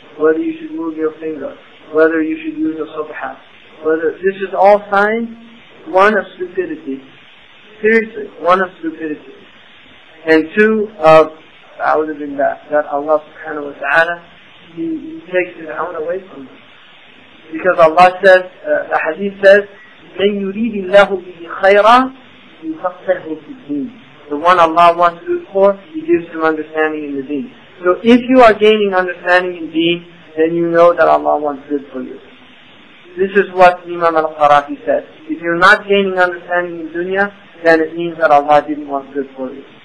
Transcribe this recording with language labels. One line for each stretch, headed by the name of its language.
English: Whether you should move your finger. Whether you should use a subha. Whether, this is all signs. One, of stupidity. Seriously, one of stupidity. And two, of a'udhu billah, that Allah subhanahu wa ta'ala, He takes his own away from them. Because Allah says, the hadith says,
Arabic: مَنْ يُرِيدِ اللَّهُ بِهِ خَيْرًا يُفَقْهُ فِي الدِّينِ.
English: The one Allah wants good for, He gives him understanding in the deen. So if you are gaining understanding in deen, then you know that Allah wants good for you. This is what Imam al-Qarafi said. If you're not gaining understanding in dunya, then it means that Allah didn't want good for you.